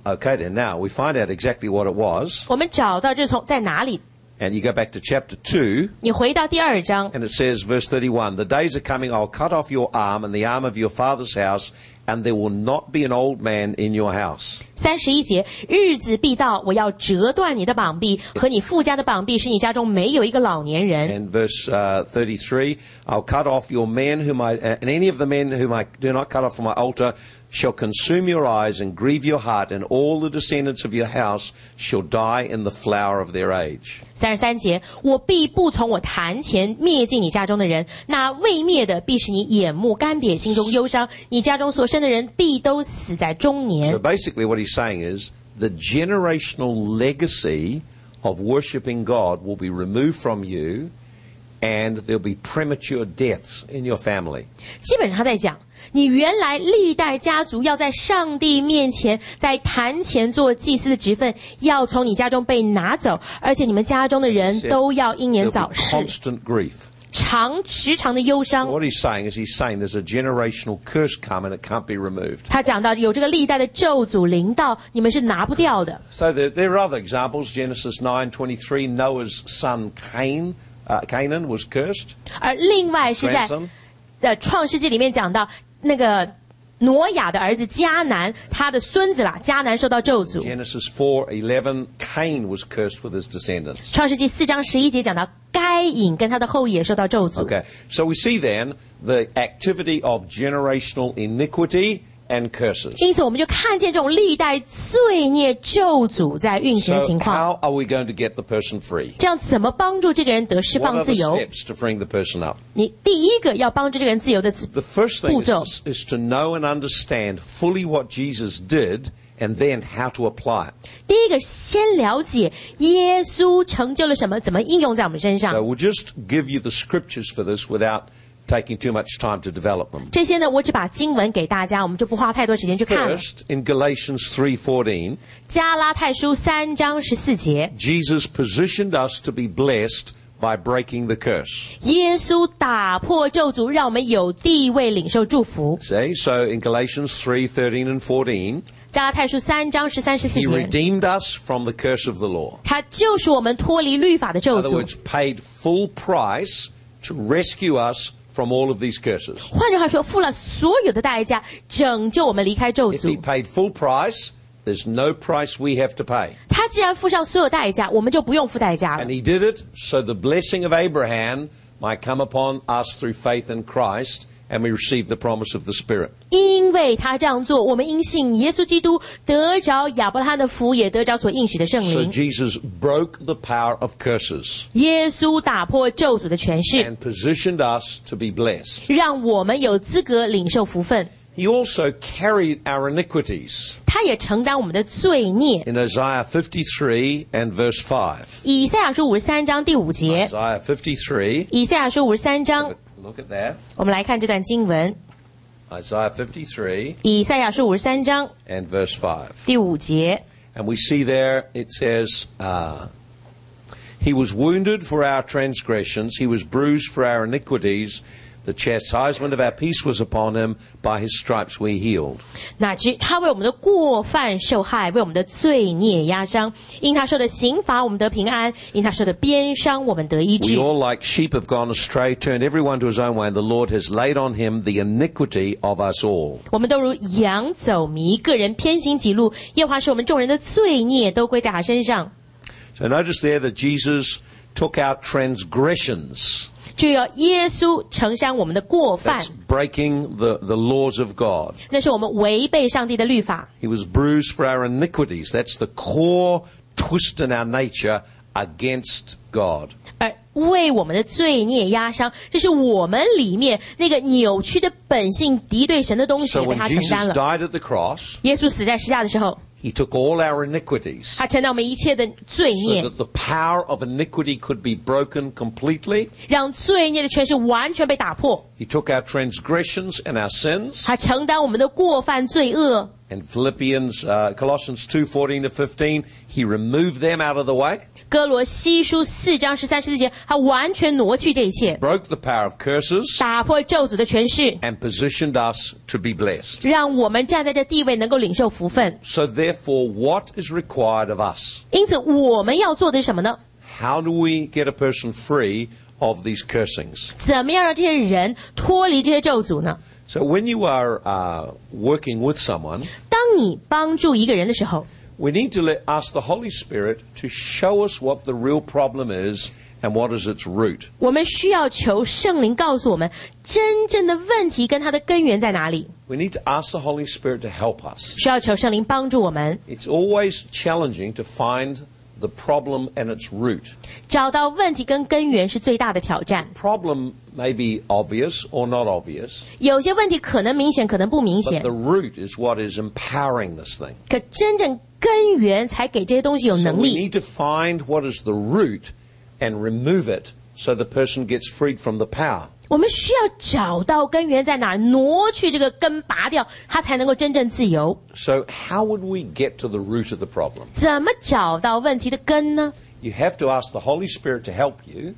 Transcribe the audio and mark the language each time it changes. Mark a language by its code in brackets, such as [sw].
[en] Okay then now we find out exactly what it was [zh] 我们找到这从在哪里 [en] And you go back to chapter 2 [zh] 你回到第二章 [en] And it says verse 31 The days are coming I'll cut off your arm and the arm of your father's house And there will not be an old man in your house [zh] 31节日子必到我要折断你的膀臂和你父家的膀臂使你家中没有一个老年人 [en] And verse 33 I'll cut off your men whom I, and any of the men whom I do not cut off from my altar shall consume your eyes and grieve your heart and all the descendants of your house shall die in the flower of their age [zh] 33节我必不从我坛前灭尽你家中的人那未灭的必使你眼目干瘪心中忧伤你家中所生的人必都死在中年 [en] So basically what he's saying is the generational legacy of worshipping God will be removed from you and there'll be premature deaths in your family [zh] 基本上他在讲你原来历代家族要在上帝面前在坛前做祭司的职分要从你家中被拿走而且你们家中的人都要英年早逝 [en] constant grief [zh] 长时常的忧伤 [en] so what he's saying is he's saying there's a generational curse come and it can't be removed [zh] 他讲到有这个历代的咒诅临到你们是拿不掉的 [en] so there are other examples Genesis 9:23 Noah's son Canaan was cursed [zh] 而另外是在创世纪里面讲到那个挪亚的儿子迦南他的孙子啦迦南受到咒诅 [en] Genesis 4:11 Cain was cursed with his descendants [zh] 创世纪四章十一节讲到该隐跟他的后裔也受到咒诅 [en] Okay, so we see then the activity of generational iniquity and curses [zh] 因此我们就看见这种历代罪孽咒诅在运行的情况 [en] So how are we going to get the person free? [zh] 这样怎么帮助这个人得释放自由 [en] What are the steps to freeing the person up? [zh] 你第一个要帮助这个人自由的步骤 [en] The first thing is to know and understand fully what Jesus diddid. And then how to apply it. [zh] 第一个先了解耶稣成就了什么怎么应用在我们身上。 [en] So we'll just give you the scriptures for this without taking too much time to develop them. [zh] 这些呢我只把经文给大家我们就不花太多时间去看了。 [en] First, in Galatians 3:14, [zh] 加拉太书三章十四节 [en] Jesus positioned us to be blessed by breaking the curse. [zh] 耶稣打破咒诅让我们有地位领受祝福。 [en] See, so in Galatians 3:13 and 14, [zh] 加拉太书三章十三十四节 [en] He redeemed us from the curse of the law. [zh] 他就是我们脱离律法的咒诅 [en] In other words, paid full price to rescue us from all of these curses. [zh] 换句话说，付了所有的代价，拯救我们离开咒诅 [en] If he paid full price, there's no price we have to pay. [zh] 他既然付上所有代价，我们就不用付代价了 [en] And he did it so the blessing of Abraham might come upon us through faith in Christ and we receive the promise of the Spirit. [zh] 因为他这样做，我们因信耶稣基督得着亚伯拉罕的福，也得着所应许的圣灵。 [en] So Jesus broke the power of curses. [zh] 耶稣打破咒诅的权势。 [en] And positioned us to be blessed. [zh] 让我们有资格领受福分。 [en] He also carried our iniquities. [zh] 他也承担我们的罪孽。 [en] In Isaiah 53 and verse 5. [zh] 以赛亚书53章第五节。 [en] Isaiah 53. [zh] 以赛亚书53章。 [en] Look at that. [zh] 我们来看这段经文。 [en] Isaiah 53. [zh] 以赛亚书53章。 [en] And verse 5. [zh] 第五节。 [en] And we see there, it says, He was wounded for our transgressions, He was bruised for our iniquities,The chastisement of our peace was upon him, by his stripes we healed. [zh] 那他为我们的过犯受害，为我们的罪孽压伤。因他受的刑罚，我们得平安；因他受的鞭伤，我们得医治。 [en] We all like sheep have gone astray, turned everyone to his own way, and the Lord has laid on him the iniquity of us all. [zh] 我们都如羊走迷，个人偏行己路，耶和华使我们众人的罪孽都归在他身上。 [en] So notice there that Jesus took our transgressions. [zh] 就要耶稣承担我们的过犯。 [en] That's breaking the laws of God. [zh] 那是我们违背上帝的律法。 [en] He was bruised for our iniquities. That's the core twist in our nature against God. [zh] 而为我们的罪孽压伤，这是我们里面那个扭曲的本性、敌对神的东西被他承担了。 [en] So when Jesus died at the cross, [zh] 耶稣死在十字架的时候。 [en] He took all our iniquities. [zh] 他承担我们一切的罪孽。 [en] So that the power of iniquity could be broken completely. [zh] 让罪孽的权势完全被打破。 [en] He took our transgressions and our sins. [zh] 他承担我们的过犯罪恶。 [en] And Philippians, Colossians 2:14 to 15, he removed them out of the way. [zh] 哥罗西书四章十三十四节，他完全挪去这一切。 [en] Broke the power of curses. [zh] 打破咒诅的权势。 [en] And positioned us to be blessed. [zh] 让我们站在这地位能够领受福分。 [en] So therefore, what is required of us? [zh] 因此我们要做的是什么呢？ [en] How do we get a person free of these cursings? [zh] 怎么样让这些人脱离这些咒诅呢？ [en] So when you are working with someone, [zh] 当你帮助一个人的时候 [en] we need to ask the Holy Spirit to show us what the real problem is and what is its root. [zh] 我们需要求圣灵告诉我们真正的问题跟它的根源在哪里。 [en] We need to ask the Holy Spirit to help us. [zh] 需要求圣灵帮助我们。 [en] It's always challenging to find the problem and its root. [zh] 找到问题跟根源是最大的挑战。 [en] Problem. May be obvious or not obvious. [zh] 有些问题可能明显，可能不明显。 [en] But the root is what is empowering this thing. [zh] 可真正根源才给这些东西有能力。 [en] So we need to find what is the root and remove it so the person gets freed from the power. [zh] 我们需要找到根源在哪，挪去这个根，拔掉，它才能够真正自由。 [en] So how would we get to the root of the problem? [zh] 怎么找到问题的根呢？ [en] You have to ask the Holy Spirit to help you.